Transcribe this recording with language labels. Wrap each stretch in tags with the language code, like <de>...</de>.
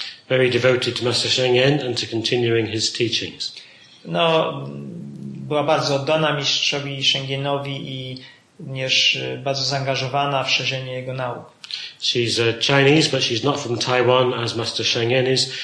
<en>Very devoted to Master Shengen and to continuing his teachings.</en> <pl>No, była bardzo oddana mistrzowi Shengenowi i również bardzo zaangażowana w szerzenie jego nauk.</pl> <en>She's Chinese, but she's not from Taiwan, as Master Shengen is.</en>